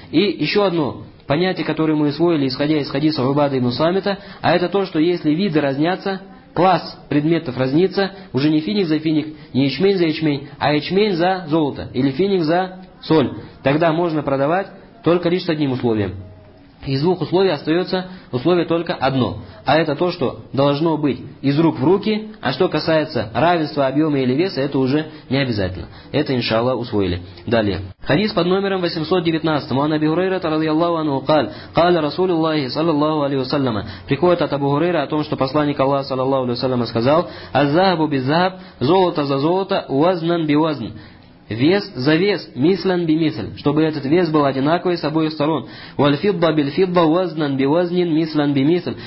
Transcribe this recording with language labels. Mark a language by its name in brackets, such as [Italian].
[Russian] И еще одно понятие, которое мы усвоили, исходя из хадиса Убады ибн Самита, а это то, что если виды разнятся, класс предметов разнится, уже не финик за финик, не ячмень за ячмень, а ячмень за золото или финик за соль, тогда можно продавать только лишь с одним условием. Из 2 условий остается условие только одно. А это то, что должно быть из рук в руки, а что касается равенства объема или веса, это уже не обязательно. Это, иншаллах, усвоили. Далее. Хадис под номером 819. [Arabic] Ан Аби Хурайра радиаллаху анху قال قال رسول الله صلى الله عليه وسلم. [Russian] Приходит от Абу Хурайра о том, что посланник Аллаха صلى الله عليه وسلم сказал: [Arabic] "Аз-захабу биз-захаб, [Russian] золото за золото, [Arabic] уазнан би-уазн". [Russian] Вес за вес, [Arabic] мислен би мисль, [Russian] чтобы этот вес был одинаковый с обоих сторон. [Arabic] Вальфидба биль фидба вазнан би вазнин мислен би мисль.